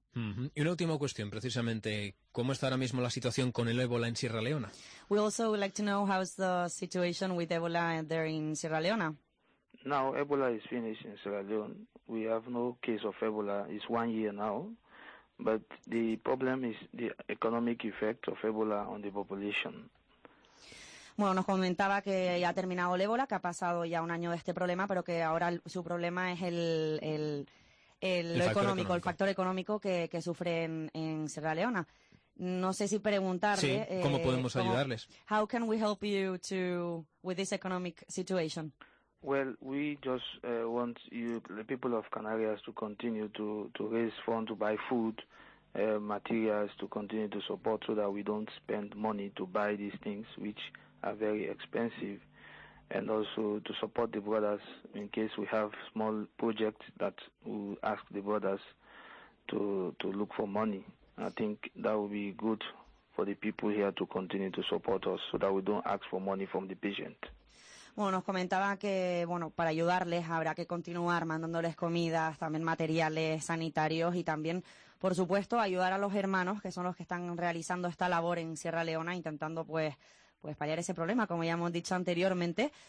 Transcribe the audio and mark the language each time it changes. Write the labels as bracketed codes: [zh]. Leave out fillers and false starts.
[es] Y una última cuestión, precisamente, ¿cómo está ahora mismo la situación con el ébola en Sierra Leona? [en] We also would like to know how's the situation with Ebola there in Sierra Leona. Now Ebola is finished in Sierra Leone. We have no case of Ebola. It's 1 year now, but the problem is the economic effect of Ebola on the population. [es] Bueno, nos comentaba que ya ha terminado el ébola, que ha pasado ya un año de este problema, pero que ahora su problema es el económico, el factor económico que sufren en Sierra Leona. No sé si preguntarle. Sí, ¿cómo podemos ayudarles? [en] How can we help you to with this economic situation? Well, we just want you, the people of Canarias, to continue to raise funds to buy food, materials, to continue to support so that we don't spend money to buy these things which are very expensive. And also to support the brothers in case we have small projects that we ask the brothers to look for money. I think that would be good for the people here to continue to support us so that we don't ask for money from the patient. [es] Bueno, nos comentaba que, bueno, para ayudarles habrá que continuar mandándoles comidas, también materiales sanitarios y también, por supuesto, ayudar a los hermanos, que son los que están realizando esta labor en Sierra Leona, intentando, pues paliar ese problema, como ya hemos dicho anteriormente.